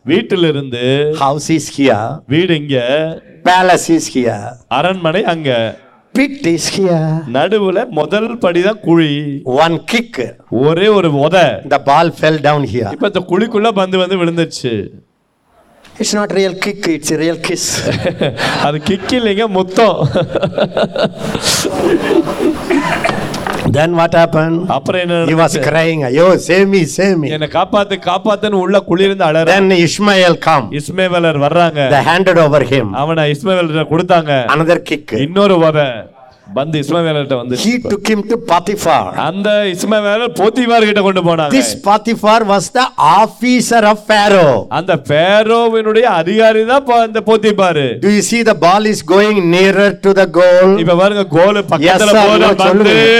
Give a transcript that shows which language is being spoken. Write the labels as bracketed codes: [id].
[ta] வீட்டிலிருந்து. [en] House is here. [ta] வீடு இங்க. [en] Palace is here. [ta] அரண்மனை அங்க. [en] Pit is here. [ta] நடுவுல முதல் படிதான் குழி. [en] One kick. [ta] ஒரே ஒரு உதை. [en] The ball fell down here. [ta] இப்ப அந்த குழிக்குள்ள பந்து வந்து விழுந்துச்சு. [en] It's not real kick, it's a real kiss. [ta] அந்த கிக் இல்லைங்க, முத்தம். [en] Then what happened? [ta] அப்புறம் என்ன? [en] He was crying. ஐயோ, save me, save me. [ta] என்ன காப்பாத்து காப்பாத்துன்னு உள்ள குளிர்ந்து அழறான். [en] Then Ishmael come. [ta] இஸ்மவேலர் வர்றாங்க. [en] They handed over him. [ta] அவனை இஸ்மவேலர் கொடுத்தாங்க. [en] Another kick. [ta] இன்னொரு உதை. வந்து இஸ்மவேலர்கிட்ட வந்து [en] he took him to Potiphar. [ta] அந்த இஸ்மவேலர் போத்திபார் கிட்ட கொண்டு போனாங்க. [en] This Potiphar was the officer of Pharaoh. [ta] அந்த பாரோவினுடைய அதிகாரி தான் அந்த Potiphar. [en] Do you see the ball is going nearer to the goal? [ta] இப்ப பாருங்க கோல் பக்கத்துல போற பந்து.